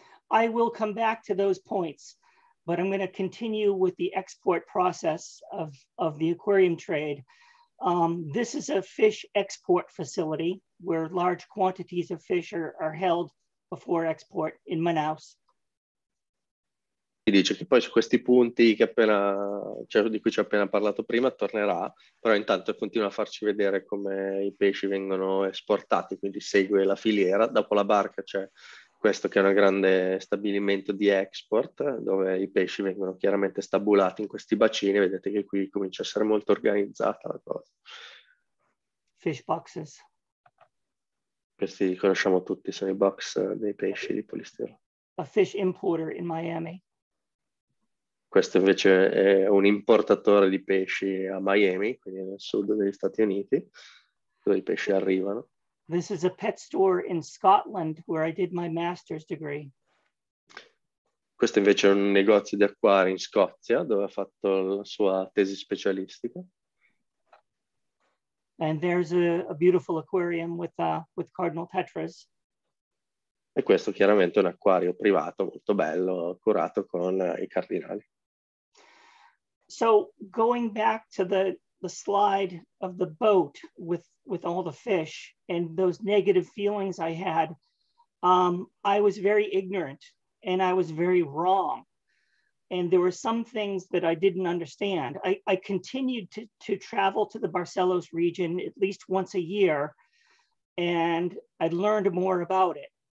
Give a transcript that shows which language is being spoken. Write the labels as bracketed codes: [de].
[en] I will come back to those points, but I'm going to continue with the export process of the aquarium trade. This is a fish export facility where large quantities of fish are held before export in Manaus. [it] Dice che poi su questi punti che appena, cioè di cui ci ho appena parlato prima, tornerà, però intanto continua a farci vedere come i pesci vengono esportati, quindi segue la filiera. Dopo la barca c'è questo che è un grande stabilimento di export, dove i pesci vengono chiaramente stabulati in questi bacini. Vedete che qui comincia a essere molto organizzata la cosa. [en] Fish boxes. [it] Questi li conosciamo tutti, sono i box dei pesci di polistirolo. [en] A fish importer in Miami. [it] Questo invece è un importatore di pesci a Miami, quindi nel sud degli Stati Uniti, dove i pesci arrivano. [en] This is a pet store in Scotland where I did my master's degree. [it] Questo invece è un negozio di acquari in Scozia dove ha fatto la sua tesi specialistica. [en] And there's a beautiful aquarium with Cardinal Tetras. [it] E questo chiaramente è un acquario privato molto bello, curato con i cardinali. [en] So going back to the slide of the boat with all the fish and those negative feelings I had, I was very ignorant and I was very wrong. And there were some things that I didn't understand. I continued to travel to the Barcelos region at least once a year and I learned more about it.